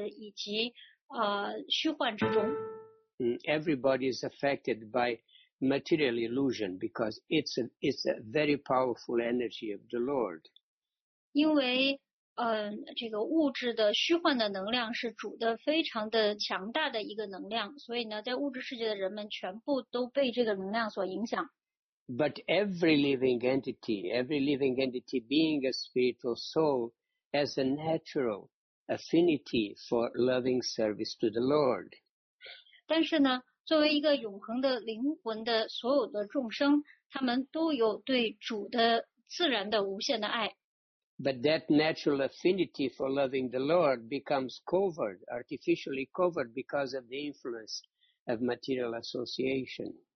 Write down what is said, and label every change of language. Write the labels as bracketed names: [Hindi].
[Chinese] 因为在这个物质世界里，所有的人他全部都卷在了物质的意识以及虚幻之中。 [English] Everybody is affected by material illusion because it's a very powerful energy of the Lord. [Chinese] 因为这个物质的虚幻的能量是主的非常的强大的一个能量，所以呢，在物质世界的人们全部都被这个能量所影响。 [English] But every living entity being a spiritual soul has a natural affinity for loving service to the Lord. [Chinese] 但是呢， 作为一个永恒的灵魂的所有的众生，他们都有对主的自然的无限的爱。 [English] But that natural affinity for loving the Lord becomes covered, artificially covered, because of the influence of material association.